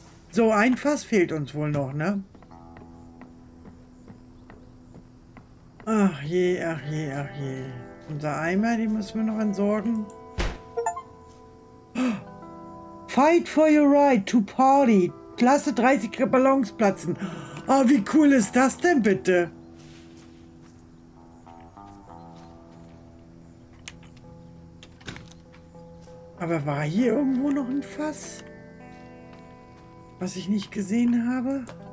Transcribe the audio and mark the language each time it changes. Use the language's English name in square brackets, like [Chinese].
[German] So, ein Fass fehlt uns wohl noch, ne? Ach je, ach je, ach je. Unser Eimer, den müssen wir noch entsorgen. [English] Fight for your right to party. [German] Lasse 30 Ballons platzen. Oh, wie cool ist das denn bitte? Aber war hier irgendwo noch ein Fass? Was ich nicht gesehen habe?